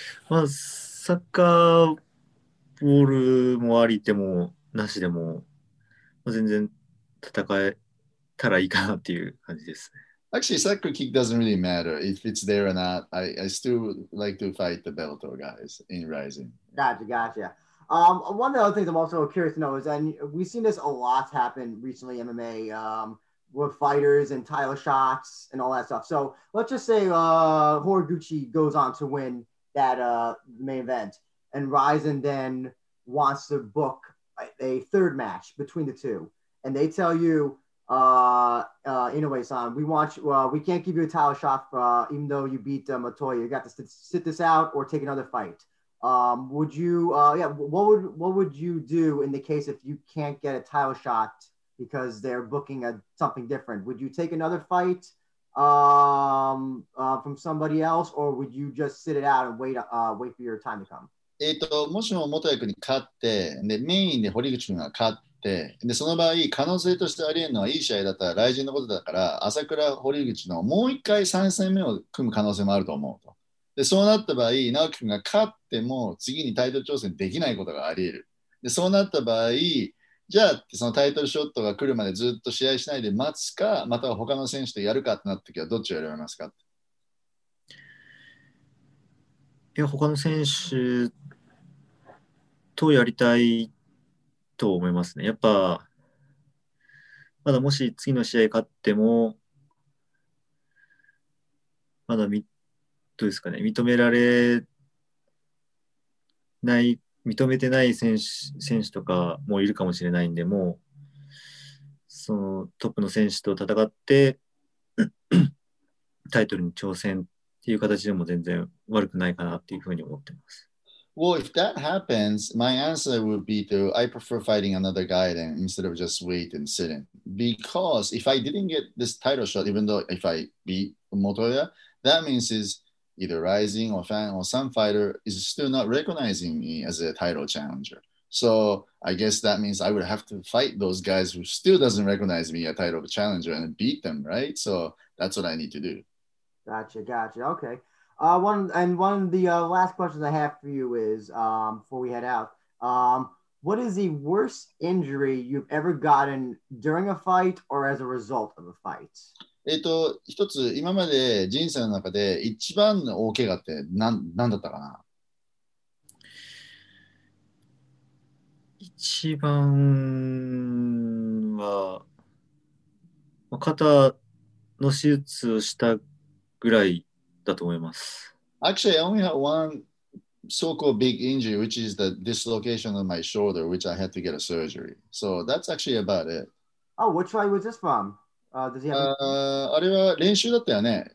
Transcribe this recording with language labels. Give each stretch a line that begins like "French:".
Japanese: まあ、サッカーボールもありでもなしでも、まあ、全然戦えたらいいかなっていう感じですね。
English: Actually, soccer kick doesn't really matter if it's there or not. I still would like to fight the Bellator guys in Rising. Gotcha, gotcha. One of the other things I'm also curious to know is, and we've seen this a lot happen recently in MMA, with fighters and title shots and all that stuff. So let's just say Horiguchi goes on to win that main event and Ryzen then wants to book a third match between the two. And they tell you, Inoue-san, we want you, we can't give you a title shot even though you beat Montoya. You got to sit this out or take another fight. Would you, yeah, what would you do in the case if you can't get a title shot because they're booking something different? Would you take another fight from somebody else, or would you just sit it out and wait for your time to come?
Japanese: もしも元役に勝って、でメインで堀口君が勝って、でその場合可能性としてありえるのはいい試合だったら来人のことだから朝倉堀口のもう一回三戦目を組む可能性もあると思うと。でそうなった場合直樹君が勝っても次にタイトル挑戦できないことがありえる。でそうなった場合。じゃあそのタイトルショットが来るまでずっと試合しないで待つか、または他の選手とやるかってなった時はどっちを選びますか？いや、他の選手とやりたいと思いますね。やっぱまだもし次の試合勝ってもまだどうですかね、認めてない選手とかもいるかもしれないんで、もうそのトップの選手と戦ってタイトルに挑戦っていう形でも全然悪くないかなっていうふうに思ってます。
English: Well, if that happens, my answer would be to I prefer fighting another guy then instead of just wait and sit in. Because if I didn't get this title shot, even though if I beat Motoya, that means isEither Rising or Fan or some fighter is still not recognizing me as a title challenger. So I guess that means I would have to fight those guys who still doesn't recognize me as a title challenger and beat them, right? So that's what I need to do. Gotcha, gotcha. Okay. One of the last questions I have for you is, before we head out, what is the worst injury you've ever gotten during a fight or as a result of a fight?
Japanese: 一つ今まで人生の中で一番の大怪我って何だったかな？一番は、まあ、肩の手術をしたぐらいだと思います。
English: Actually, I only had one so-called big injury, which is the dislocation of my shoulder, which I had to get a surgery. So that's actually about it. Oh, which fight was this from?
Japanese: あれは練習だったよね。